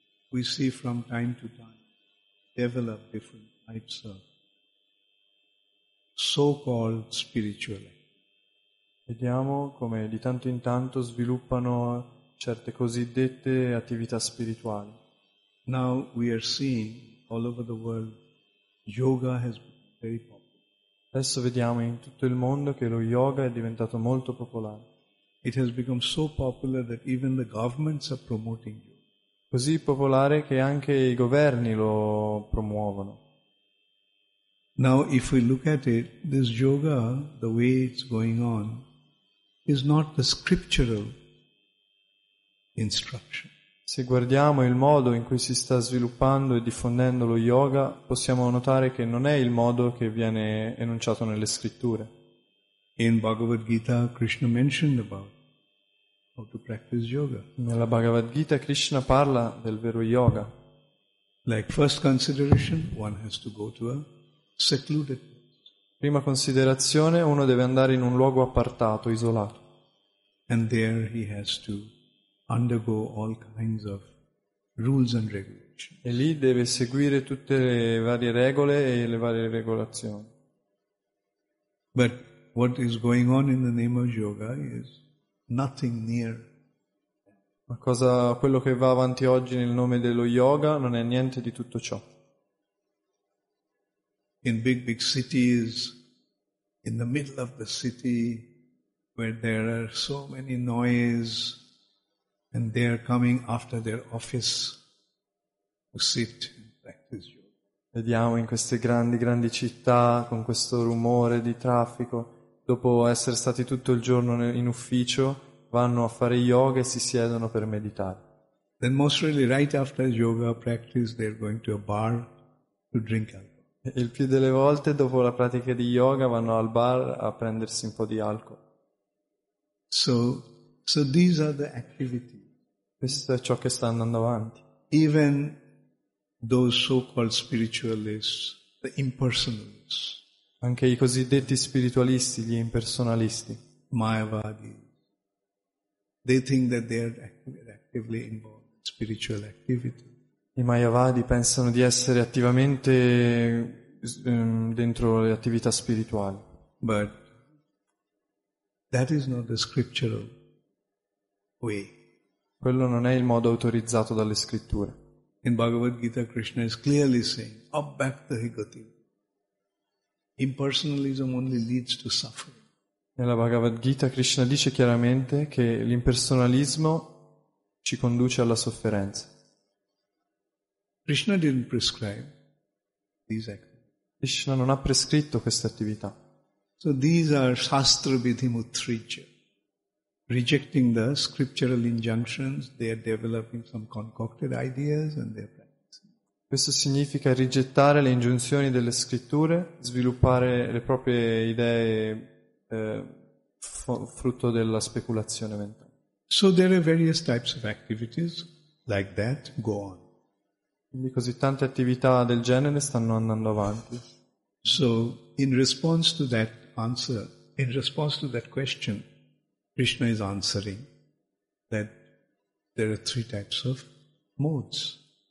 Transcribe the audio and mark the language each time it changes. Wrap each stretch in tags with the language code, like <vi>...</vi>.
<en>We see from time to time develop different types of so-called spiritual</en> <it>Vediamo come di tanto in tanto sviluppano certe cosiddette attività spirituali.</it> <en>Now we are seeing all over the world yoga has been very popular.</en> <it>Adesso vediamo in tutto il mondo che lo yoga è diventato molto popolare.</it> <en>It has become so popular that even the governments are promoting yoga.</en> <it>Così popolare che anche i governi lo promuovono.</it> <en>Now if we look at it, this yoga, the way it's going on, is not the scriptural instruction.</en> <it>Se guardiamo il modo in cui si sta sviluppando e diffondendo lo yoga, possiamo notare che non è il modo che viene enunciato nelle scritture.</it> <en>In Bhagavad Gita, Krishna mentioned about how to practice yoga.</en> <it>Nella Bhagavad Gita Krishna parla del vero yoga.</it> <en>Like first consideration, one has to go to a secluded place.</en> <it>Prima considerazione, uno deve andare in un luogo appartato, isolato.</it> <en>And there he has to undergo all kinds of rules and regulations.</en> <it>E lì deve seguire tutte le varie regole e le varie regolazioni.</it> <en>But what is going on in the name of yoga is nothing near.</en> <it>Ma cosa, quello che va avanti oggi nel nome dello yoga non è niente di tutto ciò.</it> <en>In big, big cities, in the middle of the city, where there are so many noise, and they are coming after their office to sit and practice yoga.</en> <it>Vediamo in queste grandi, grandi città, con questo rumore di traffico, dopo essere stati tutto il giorno in ufficio, vanno a fare yoga e si siedono per meditare.</it> <en>Then most really right after yoga practice they're going to a bar to drink alcohol.</en> <it>E il più delle volte dopo la pratica di yoga vanno al bar a prendersi un po' di alcol.</it> <en>So these are the activities.</en> <it>Questo è ciò che sta andando avanti.</it> <en>Even those so-called spiritualists, the impersonalists.</en> <it>Anche i cosiddetti spiritualisti, gli impersonalisti,</it> <en>Mayavadi, they think that they are actively involved in spiritual activity.</en> <it>I Mayavadi pensano di essere attivamente dentro le attività spirituali.</it> <en>But that is not the scriptural way.</en> <it>Quello non è il modo autorizzato dalle scritture.</it> <en>In Bhagavad Gita, Krishna is clearly saying, "Abhyakti gati." Impersonalism only leads to suffering.</en> <it>Nella Bhagavad Gita Krishna dice chiaramente che l'impersonalismo ci conduce alla sofferenza.</it> <en>Krishna didn't prescribe these activities.</en> <it>Krishna non ha prescritto queste attività.</it> <en>So these are shastra vidhimutrijya. Rejecting the scriptural injunctions, they are developing some concocted ideas and they are.</en> <it>Questo significa rigettare le ingiunzioni delle scritture, sviluppare le proprie idee frutto della speculazione mentale.</it> <en>So there are various types of activities like that go on.</en> <it>Quindi così tante attività del genere stanno andando avanti.</it> <en>So in response to that answer, in response to that question, Krishna is answering that there are three types of modes.</en>